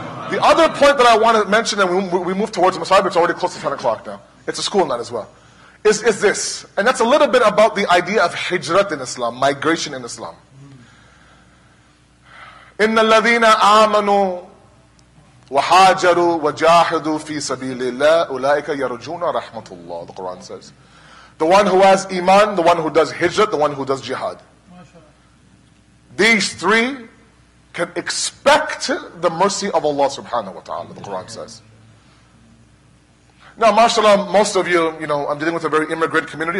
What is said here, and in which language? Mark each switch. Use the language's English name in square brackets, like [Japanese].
[English] The other point that I want to mention, and we move towards Masjid, it's already close to 10 o'clock now. It's a school night as well. Is this. And that's a little bit about the idea of hijrat in Islam, migration in Islam. [Arabic] إِنَّ الَّذِينَ آمَنُوا وَحَاجَرُوا وَجَاهَدُوا فِي سَبِيلِ اللَّهِ أُولَئِكَ يَرْجُونَ رَحْمَةُ اللَّهِ. [English] The Quran says. The one who has iman, the one who does hijrat, the one who does jihad. These three can expect the mercy of Allah subhanahu wa ta'ala, the Quran says. Now, mashallah, most of you, you know, I'm dealing with a very immigrant community.